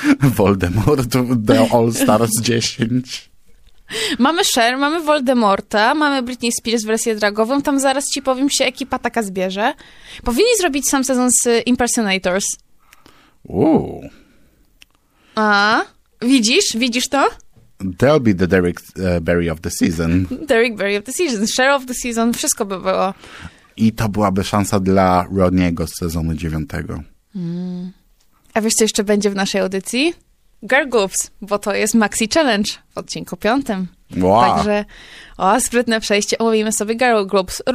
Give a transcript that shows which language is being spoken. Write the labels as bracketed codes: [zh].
[en] Voldemort, The All Stars 10. [pl] Mamy Cher, mamy Voldemorta, mamy Britney Spears w wersję dragową, tam zaraz ci powiem, się ekipa taka zbierze. Powinni zrobić sam sezon z Impersonators. Uuu. A? Widzisz? Widzisz to? [en] They'll be the Derek Berry of the season. [pl] Derek Berry of the season, Cher of the season, wszystko by było. I to byłaby szansa dla Rodney'ego z sezonu 9. A wiesz, co jeszcze będzie w naszej audycji? Girl Goofs, bo to jest Maxi Challenge w odcinku 5. Wow. Także, o, sprytne przejście, omówimy sobie Girl Groups.